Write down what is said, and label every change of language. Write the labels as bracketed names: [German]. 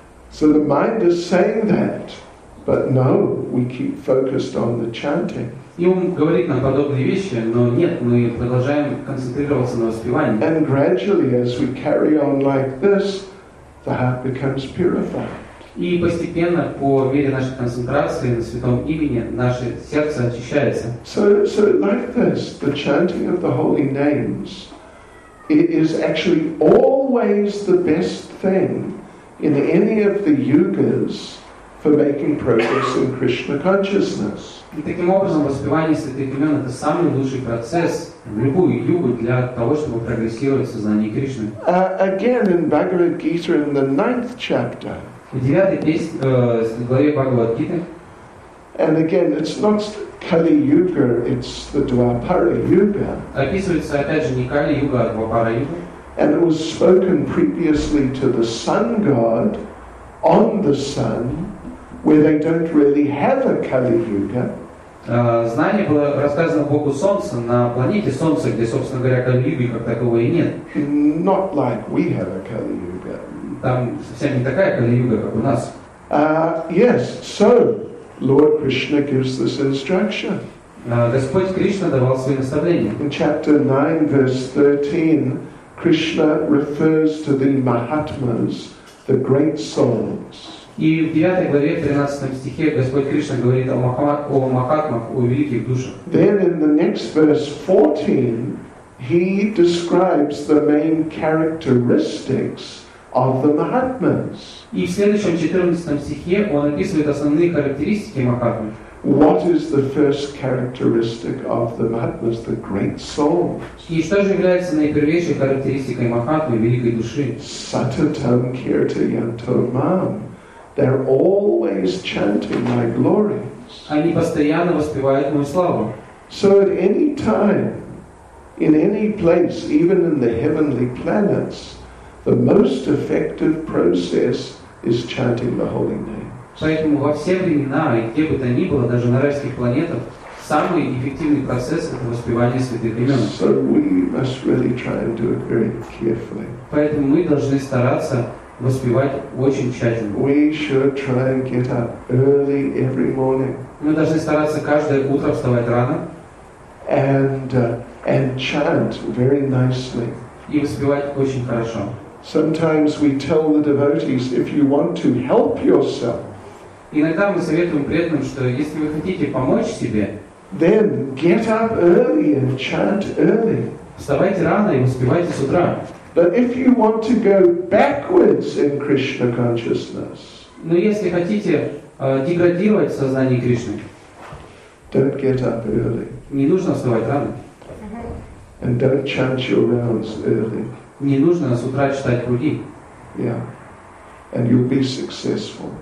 [English] So the mind is saying that, but no, we keep focused on the chanting. [Russian] И ум говорит нам подобные вещи, но нет, мы продолжаем концентрироваться на воспевании. [English] And gradually, as we carry on like this, the heart becomes purified. [Russian] И постепенно, по мере нашей концентрации на святом имени, наше сердце очищается. [English] So like this, the chanting of the holy names, it is actually always the best thing in any of the yugas for making progress in Krishna consciousness. [Russian] Таким образом, воспевание святых имен — это самый лучший процесс в любую югу для того, чтобы прогрессировать в сознании Кришны. [English] Again, in Bhagavad Gita, in the 9th chapter. [Russian] В 9-й песне, главе Бхагавад Гиты. [English] And again, it's not Kali Yuga, it's the Dwapara Yuga. [Russian] Описывается опять же не Kali Yuga, а Dwapara Yuga. [English] And it was spoken previously to the sun god on the sun, where they don't really have a Kali Yuga. [Russian] Знание было рассказано Богу Солнца на планете Солнца, где, собственно говоря, Kali Yuga как таковой нет. [English] Not like we have a Kali Yuga. [Russian] Там совсем не такая Kali Yuga, как у нас. [English] Yes, so Lord Krishna gives this instruction. [Russian] Господь Кришна давал свои наставления. [English] In chapter 9, verse 13, Krishna refers to the Mahatmas, the great souls. [Russian] И в 9 главе, 13 стихе, Господь Кришна говорит о Махатмах, о великих душах. [English] Then in the next verse 14, he describes the main characteristics of the Mahatmas. [Russian] И в следующем 14 стихе он описывает основные характеристики Махатмы. [English] What is the first characteristic of the Mahatmas, the great soul? [Russian] И что же является наипервейшей характеристикой Махатмы, великой души? [Sanskrit] Satatam Kirtayantomam. [English] They're always chanting my glories. [Russian] Они постоянно воспевают мою славу. [English] So at any time, in any place, even in the heavenly planets, the most effective process is chanting the holy names. [Russian] Поэтому во все времена и где бы то ни было, даже на райских планетах, самый эффективный процесс — это воспевание святых имен. [English] So we must really try and do it very carefully. [Russian] Поэтому мы должны стараться воспевать очень тщательно. [English] We should try and get up early every morning. [Russian] Мы должны стараться каждое утро вставать рано. [English] And chant very nicely. [Russian] И воспевать очень хорошо. [English] Sometimes we tell the devotees, if you want to help yourself, [Russian] иногда мы советуем преданным, что если вы хотите помочь себе, [English] then get up early and chant early. [Russian] Вставайте рано и успевайте с утра. [English] But if you want to go backwards in Krishna consciousness, [Russian] но если хотите деградировать в сознании Кришны, [English] don't get up early. [Russian] Не нужно вставать рано. [English] And don't chant your rounds early. [Russian] Не нужно с утра читать круги. [English] Yeah. And you'll be successful.